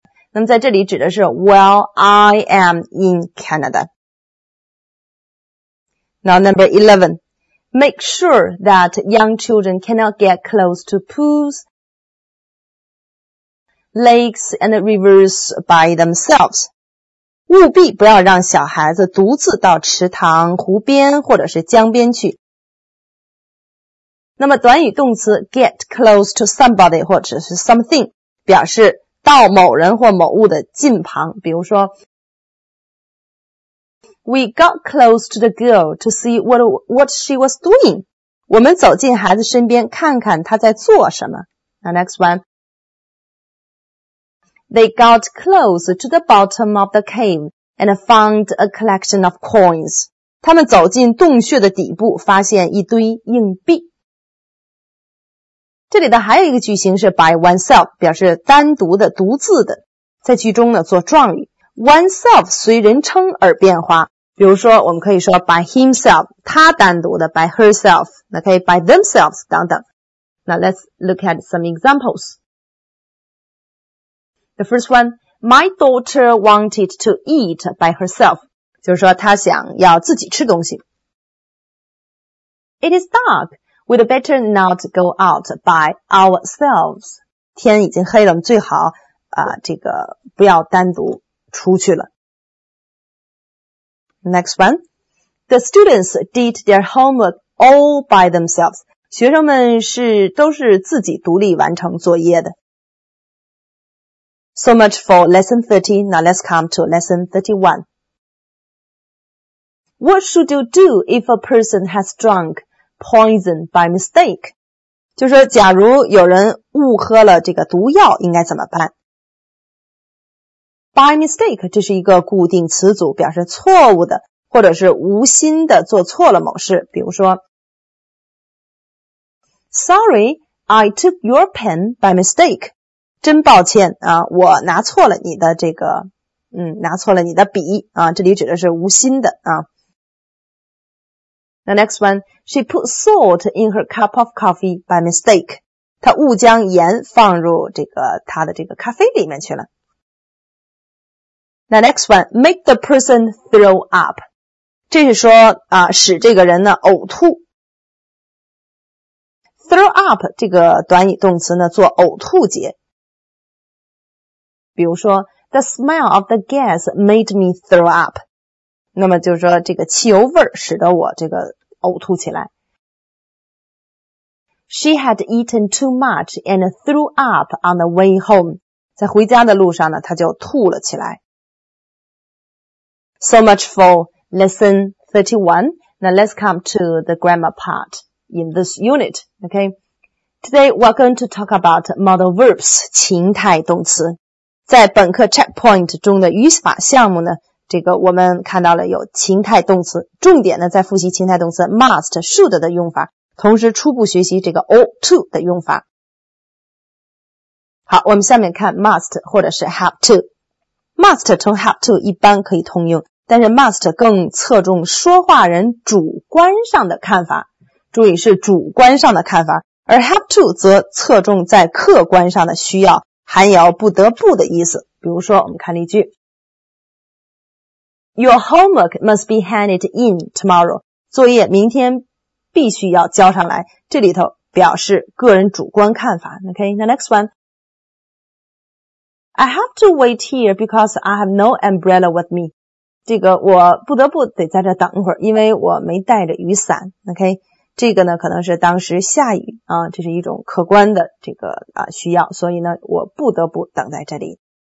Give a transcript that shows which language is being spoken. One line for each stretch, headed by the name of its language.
Chinese: 那么在这里指的是
English: while I am in Canada. Now number 11, make sure that young children cannot get close to pools, lakes, and rivers by themselves.
Chinese: 务必不要让小孩子独自到池塘、湖边或者是江边去。那么短语动词
English: get close to somebody
Chinese: 或者是 something 表示到某人或某物的近旁，比如说
English: We got close to the girl to see what she was doing.
Chinese: 我们走进孩子身边看看她在做什么。
English: Now next one. They got close to the bottom of the cave and found a collection of coins.
Chinese: 他们走进洞穴的底部发现一堆硬币。这里的还有一个句型是 by oneself, 表示单独的、独自的。在句中呢做状语。 oneself 随人称而变化，比如说我们可以说 by himself 他单独的 by herself OK by themselves 等等。
English: Now let's look at some examples. The first one, My daughter wanted to eat by herself,
Chinese: 就是说她想要自己吃东西。
English: It is dark, we'd better not go out by ourselves.
Chinese: 天已经黑了，我们最好不要单独出去了。
English: Next one. The students did their homework all by themselves.
Chinese: 学生们都是自己独立完成作业的。
English: So much for lesson 30. Now let's come to lesson 31. What should you do if a person has drunk poison by mistake?
Chinese: 就是假如有人误喝了这个毒药应该怎么办 By mistake 这是一个固定词组表示错误的或者是无心的做错了某事比如说
English: Sorry, I took your pen by mistake
Chinese: 真抱歉啊，我拿错了你的这个拿错了你的笔啊，这里指的是无心的啊。
English: The next one, she put salt in her cup of coffee by mistake.
Chinese: 她误将盐放入这个她的这个咖啡里面去了。
English: The next one, make the person throw up.
Chinese: 这是说啊，使这个人呢呕吐。 Throw up 这个短语动词呢做呕吐解。比如说
English: ,the smell of the gas made me throw up.
Chinese: 那么就是说这个汽油味使得我这个呕吐起来。
English: She had eaten too much and threw up on the way home.
Chinese: 在回家的路上呢她就吐了起来。
English: So much for lesson 31. Now let's come to the grammar part in this unit. Okay. Today we're going to talk about modal verbs,
Chinese: 情态动词。在本课 checkpoint 中的语法项目呢这个我们看到了有情态动词重点呢在复习情态动词 must, should 的用法同时初步学习这个 ought to 的用法。好我们下面看 must 或者是 have to。must 称 have to 一般可以通用但是 must 更侧重说话人主观上的看法注意是主观上的看法而 have to 则侧重在客观上的需要含有不得不的意思比如说我们看例句。
English: Your homework must be handed in tomorrow.
Chinese: 作业明天必须要交上来。这里头表示个人主观看法。
English: Okay, the next one. I have to wait here because I have no umbrella with me.
Chinese: 这个我不得不得在这等会儿因为我没带着雨伞。 Okay, 这个呢可能是当时下雨啊这是一种客观的这个啊需要所以呢我不得不等在这里。